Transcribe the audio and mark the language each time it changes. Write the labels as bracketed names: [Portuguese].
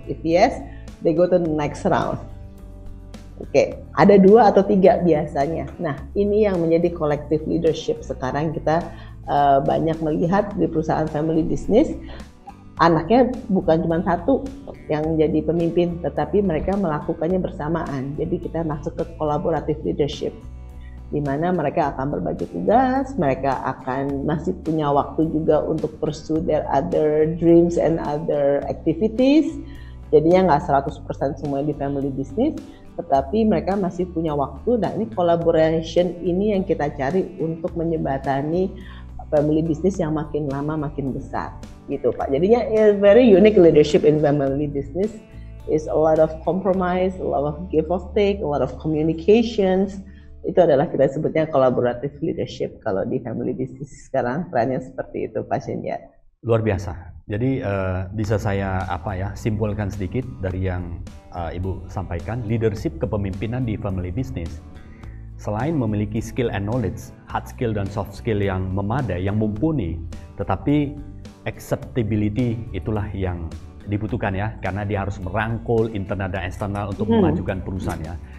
[English] If yes, they go to the next round. [Indonesian] Oke, ada dua atau tiga biasanya. Nah, ini yang menjadi collective leadership. Sekarang kita banyak melihat di perusahaan family business, anaknya bukan cuma satu yang jadi pemimpin, tetapi mereka melakukannya bersamaan. Jadi kita masuk ke collaborative leadership, di mana mereka akan berbagi tugas, mereka akan masih punya waktu juga untuk [English] pursue their other dreams and other activities. [Indonesian] Jadinya nggak 100% semuanya di family business, tetapi mereka masih punya waktu. Nah, ini collaboration ini yang kita cari untuk menyebatani family business yang makin lama makin besar, gitu Pak. Jadinya [English] very unique leadership in family business is a lot of compromise, a lot of give of take, a lot of communications. [Indonesian] Itu adalah kita sebutnya collaborative leadership kalau di family business sekarang trennya seperti itu, Pak Shinya. Luar biasa. Jadi bisa saya simpulkan sedikit dari yang Ibu sampaikan, leadership kepemimpinan di family business. Selain memiliki skill and knowledge, hard skill dan soft skill yang memadai, yang mumpuni, tetapi acceptability itulah yang dibutuhkan ya, karena dia harus merangkul internal dan eksternal untuk memajukan perusahaannya.